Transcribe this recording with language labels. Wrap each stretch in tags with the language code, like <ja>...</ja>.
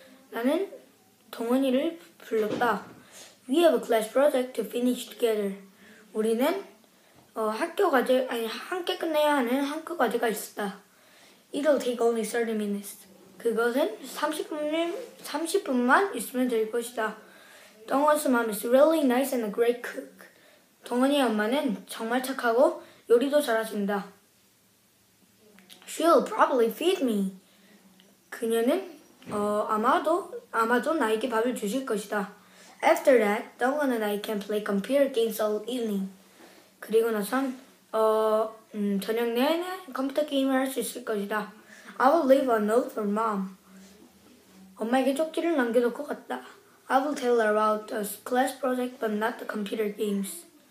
<ko>나는 동원이를 불렀다.</ko> <en>We have a class project to finish together.</en> <ko>우리는 학교 과제 아니 함께 끝내야 하는 학교 과제가 있었다.</ko> <en>It'll take only 30 minutes.</en> <ko>그것은 30분만 있으면 될 것이다.</ko> <en>Dongwon's mom is really nice and a great cook.</en> <ko>동원이의 엄마는 정말 착하고 요리도 잘하신다.</ko> <en>She'll probably feed me.</en> <ko>그녀는 아마도 나에게 밥을 주실 것이다.</ko> <en>After that, Dongwon and I can play computer games all evening.</en> <ko>그리고 나선 저녁 내내 컴퓨터 게임을 할 수 있을 것이다.</ko> <en>I will leave a note for mom.</en> <ko>엄마에게 쪽지를 남겨놓을 것 같다.</ko> <en>I will tell her about the class project but not the computer games.</en>